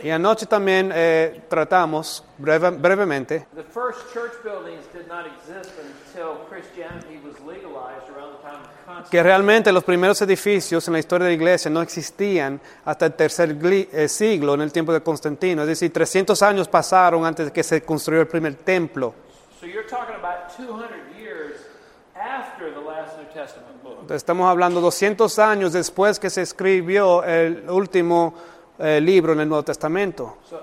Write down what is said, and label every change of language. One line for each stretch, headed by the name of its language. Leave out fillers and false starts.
Spanish: Y anoche también tratamos brevemente.
English: The first church buildings did not exist until Christianity was legalized around the time of Constantine.
Spanish: Que realmente los primeros edificios en la historia de la iglesia no existían hasta el tercer siglo en el tiempo de Constantino. Es decir, 300 años pasaron antes de que se construyó el primer templo.
English: So you're talking about 200 years after the last New Testament.
Spanish: Estamos hablando 200 años después que se escribió el último libro en el Nuevo Testamento.